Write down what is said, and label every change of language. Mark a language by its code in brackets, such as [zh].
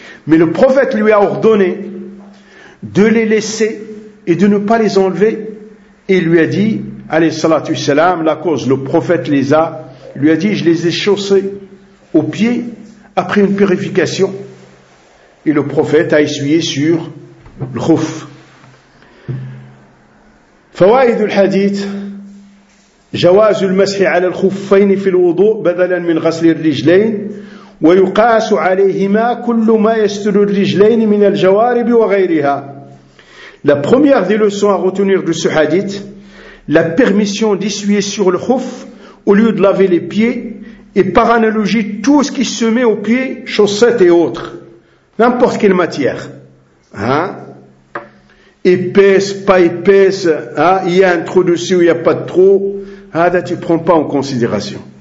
[fr] Mais le prophète lui a ordonné de les laisser et de ne pas les enlever. Et il lui a dit alayhi salam, la cause, le prophète lui a dit je les ai chaussés au pied après une purification. Et le prophète a essuyé sur le khouf. [ar] فوائد الحديث جواز المسح على الخفين في الوضوء بدلا من غسل الرجلين ويقاس عليهما كل ما يستر الرجلين من الجوارب وغيرها. [fr] La première des leçons à retenir de ce hadith, la permission d'essuyer sur le khuf au lieu de laver les pieds, et par analogie tout ce qui se met aux pieds, chaussettes et autres, n'importe quelle matière, épaisse, pas épaisse, il y a un trou dessus ou il n'y a pas de trou, tu ne prends pas en considération.